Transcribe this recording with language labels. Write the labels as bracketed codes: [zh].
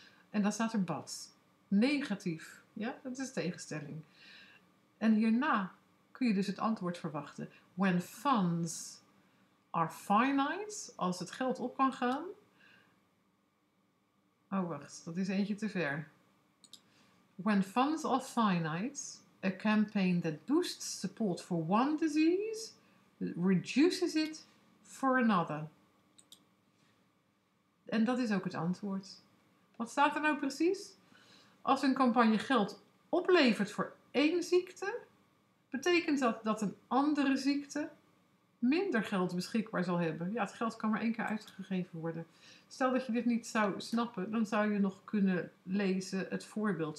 [nl] En dan staat er but. Negatief. Ja, dat is tegenstelling. En hierna kun je dus het antwoord verwachten. [en] When funds are finite, [nl] als het geld op kan gaan. Oh, wacht, dat is eentje te ver. [en] When funds are finite, a campaign that boosts support for one disease reduces it for another. [nl] En dat is ook het antwoord. Wat staat er nou precies? Als een campagne geld oplevert voor één ziekte, betekent dat dat een andere ziekte minder geld beschikbaar zal hebben. Ja, het geld kan maar één keer uitgegeven worden. Stel dat je dit niet zou snappen, dan zou je nog kunnen lezen het voorbeeld.